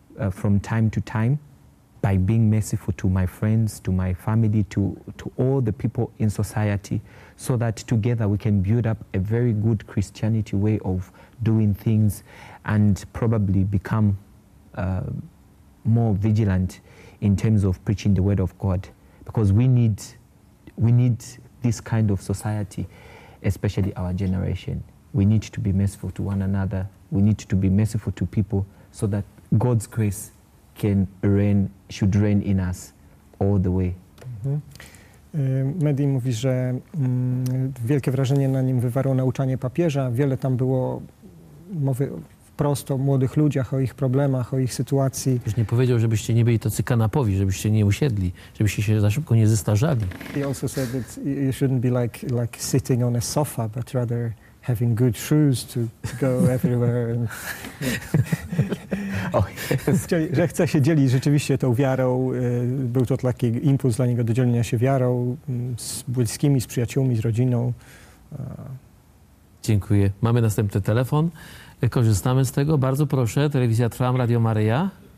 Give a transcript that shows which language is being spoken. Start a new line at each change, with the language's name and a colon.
English: from time to time by being merciful to my friends, to my family, to all the people in society, so that together we can build up a very good Christianity way of doing things and probably become more vigilant in terms of preaching the word of God, because we need this kind of society, especially our generation. We need to be merciful to one another. We need to be merciful to people so that God's grace should reign in us all the way. Mm-hmm.
Polish: Medi mówi, że wielkie wrażenie na nim wywarło nauczanie papieża. Wiele tam było mowy wprost o młodych ludziach, o ich problemach, o ich sytuacji. Już nie powiedział, żebyście nie byli tacy kanapowi, żebyście nie usiedli, żebyście się za szybko nie zestarzali.
English: He also said that you shouldn't be like sitting on a sofa, but rather having good shoes to go everywhere. And, yeah. Oh, yes.
Polish: Że chce się dzielić rzeczywiście tą wiarą. Był to taki impuls dla niego do dzielenia się wiarą z bliskimi, z przyjaciółmi, z rodziną. Dziękuję. Mamy następny telefon. Korzystamy z tego. Bardzo proszę, Telewizja Trwam, Radio Maryja.